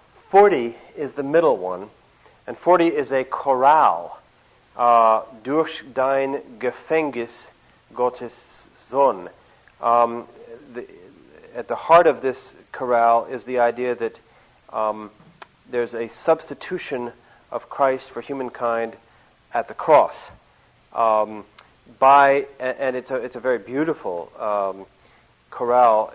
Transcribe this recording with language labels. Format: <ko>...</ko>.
<en>40 is the middle one, and 40 is a chorale.</en> <de>Durch dein Gefängnis Gottes Sohn.</de> <en>At the heart of this chorale is the idea that there's a substitution of Christ for humankind at the cross. It's a very beautiful chorale.</en>